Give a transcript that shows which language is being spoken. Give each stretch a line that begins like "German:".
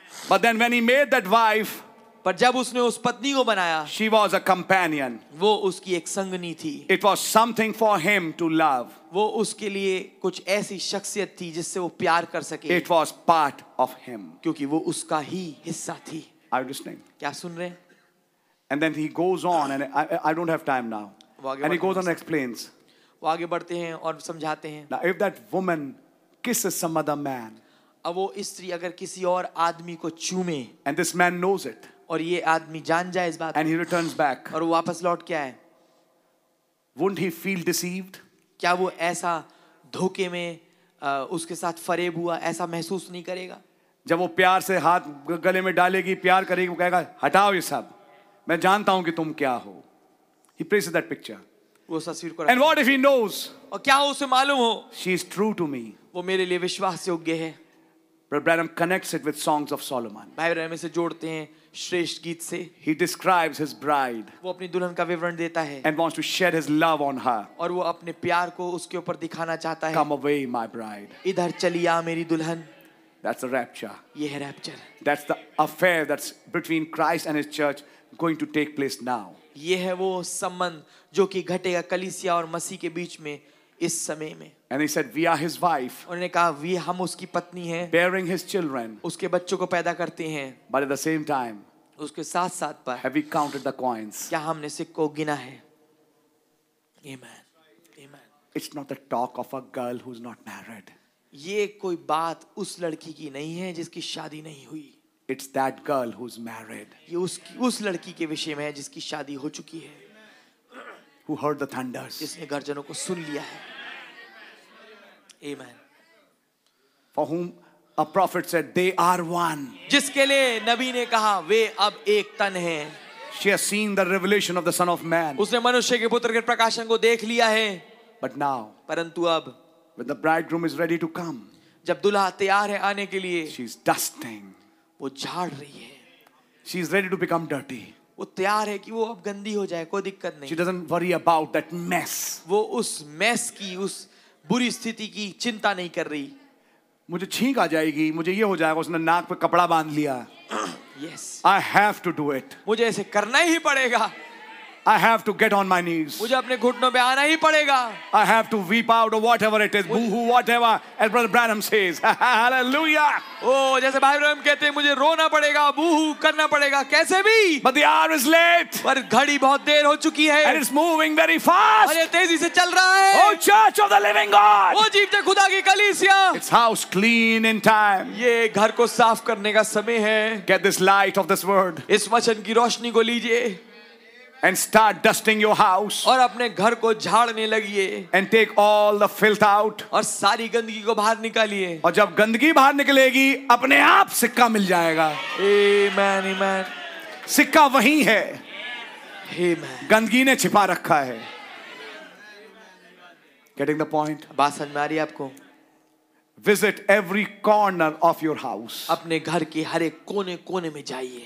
English: But then when he made that wife,
Hindi: पर जब उसने उस पत्नी को बनाया,
English: she was a companion.
Hindi: वो उसकी एक संगनी थी.
English: It was something for him to love.
Hindi: वो उसके लिए कुछ ऐसी शख्सियत थी जिससे वो प्यार कर सके.
English: It was part of him.
Hindi: क्योंकि वो उसका ही हिस्सा थी.
English: Are you listening?
Hindi: क्या सुन रहे?
English: And then he goes on, and I don't have time now. And he goes on and explains.
Hindi: वो आगे बढ़ते हैं और समझाते हैं.
English: Now if that woman kisses some other man,
Hindi: अब वो स्त्री अगर किसी और आदमी को चूमे,
English: and this man knows it.
Hindi: और ये आदमी जान जाए इस बात,
English: and he returns back,
Hindi: और वापस लौट के आए,
English: wouldn't he feel deceived?
Hindi: क्या वो ऐसा धोखे में उसके साथ फरेब हुआ ऐसा महसूस नहीं करेगा? जब वो प्यार से हाथ गले में डालेगी, प्यार करेगी, वो कहेगा हटाओ ये सब, मैं जानता हूं कि तुम क्या हो.
English: He praises that picture.
Hindi: वो तस्वीर को,
English: and what if he knows?
Hindi: और क्या उसे मालूम हो?
English: She is true to me.
Hindi: वो मेरे लिए विश्वास योग्य है.
English: Brother Branham connects it with songs of Solomon.
Hindi: भाई ब्रैनम इसे जोड़ते हैं श्रेष्ठ गीत से.
English: He describes his bride.
Hindi: वो अपनी दुल्हन का विवरण देता है.
English: And wants to shed his love on her.
Hindi: और वो अपने प्यार को उसके ऊपर दिखाना चाहता है.
English: Come away, my bride.
Hindi: इधर चली आ मेरी दुल्हन.
English: That's a rapture.
Hindi: ये है rapture.
English: That's the affair that's between Christ and His church going to take place now.
Hindi: ये है वो संबंध जो कि घटेगा कलीसिया और मसीह के बीच में इस समय में.
English: And he said, "We are his wife."
Hindi: उन्होंने कहा, "We हम उसकी पत्नी हैं."
English: Bearing his children.
Hindi: उसके बच्चों को पैदा करते हैं.
English: But at the same time.
Hindi: उसके साथ साथ पर.
English: Have we counted the coins?
Hindi: क्या हमने सिक्कों गिना है?
English: Amen. Amen. It's not the talk of a girl who's not married.
Hindi: ये कोई बात उस लड़की की नहीं है जिसकी शादी नहीं हुई.
English: It's that girl who's married.
Hindi: ये उस लड़की के विषय में है जिसकी शादी हो चुकी है.
English: Who heard the thunders?
Hindi: जिसने गर्जनों को सुन लिया है.
English: Amen. For whom a prophet said they are one.
Hindi: जिसके लिए नबी ने कहा वे अब एक तन हैं.
English: She has seen the revelation of the Son of Man.
Hindi: उसने मनुष्य के पुत्र के प्रकाशन को देख लिया है.
English: But now.
Hindi: परंतु अब.
English: When the bridegroom is ready to come.
Hindi: जब दूल्हा तैयार है आने के लिए.
English: She is dusting.
Hindi: वो झाड़ रही है.
English: She is ready to become dirty.
Hindi: वो तैयार है कि वो अब गंदी हो जाए, कोई दिक्कत नहीं.
English: She doesn't worry about that mess.
Hindi: वो उस mess की, उस बुरी स्थिति की चिंता नहीं कर रही. मुझे छींक आ जाएगी, मुझे ये हो जाएगा, उसने नाक पे कपड़ा बांध लिया.
English: Yes. I have to do it.
Hindi: मुझे ऐसे करना ही पड़ेगा.
English: I have to get on my knees.
Hindi: मुझे अपने घुटनों पे आना ही पड़ेगा.
English: I have to weep out or whatever it is, boo-hoo, whatever, as Brother Branham says. Hallelujah.
Hindi: Oh, जैसे भाई ब्रैनम कहते हैं, मुझे रोना पड़ेगा, बूहू करना पड़ेगा, कैसे भी.
English: But the hour is late.
Hindi: पर घड़ी बहुत देर हो चुकी है.
English: And it's moving very fast.
Hindi: और ये तेजी से चल रहा है.
English: Oh, Church of the Living God.
Hindi: वो जीवते खुदा की कलीसिया.
English: It's house clean in time.
Hindi: ये घर को साफ करने का समय है.
English: Get this light of this word.
Hindi: इस वचन की रोशनी को लीजिए.
English: And start dusting your house.
Hindi: और अपने घर को झाड़ने लगिए.
English: And take all the filth out.
Hindi: और सारी गंदगी को बाहर निकालिए. और जब गंदगी बाहर निकलेगी, अपने आप सिक्का मिल जाएगा.
English: Amen, amen.
Hindi: सिक्का वही है.
English: Amen.
Hindi: गंदगी ने छिपा रखा है.
English: Getting the point?
Hindi: बात समझ में आ रही है आपको?
English: Visit every corner of your house.
Hindi: अपने घर के हर एक कोने कोने में जाइए.